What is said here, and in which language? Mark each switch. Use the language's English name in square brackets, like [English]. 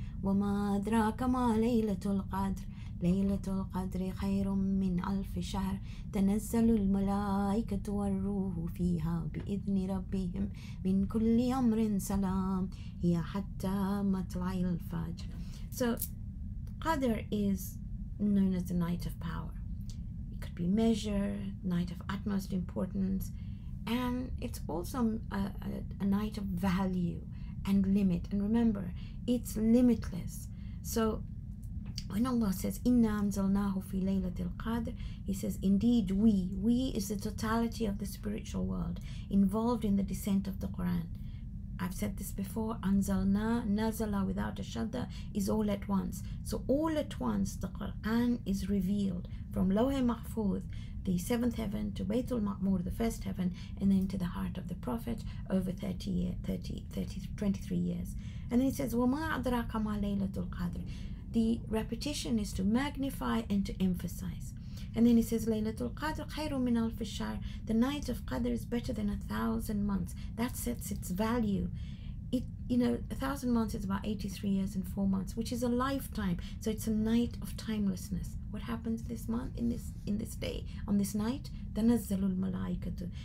[Arabic] وما أدراك ما ليلة القدر ليلة القدر خير من ألف شهر تنزل الملائكة والروح فيها بإذن ربهم من كل أمر سلام هي حتى مطلع الفجر. [English] So Qadr is known as the night of power. It could be measure, night of utmost importance, and it's also a night of value and limit. And remember, it's limitless. So when Allah says [Arabic] inna anzalnahu fi laylatil qadr, [English] he says indeed we is the totality of the spiritual world involved in the descent of the Quran. I've said this before, anzalna, nazala without a shadda, is all at once. So all at once the Quran is revealed from Lawh-e Mahfuz, the seventh heaven, to Baytul Ma'mur, the first heaven, and then to the heart of the Prophet over 23 years. And then he says, [Arabic] وَمَا أَدْرَاكَ مَا لَيْلَةُ الْقَدْرِ. [English] The repetition is to magnify and to emphasize. And then he says, [Arabic] لَيْلَةُ الْقَدْرِ خَيْرٌ مِنْ أَلْفِ الشَّهْرِ. [English] The night of Qadr is better than 1,000 months. That sets its value. It, you know, 1,000 months is about 83 years and 4 months, which is a lifetime. So it's a night of timelessness. What happens this month, in this day, on this night? [Arabic] تَنَزَّلُ الْمَلَائِكَةُ.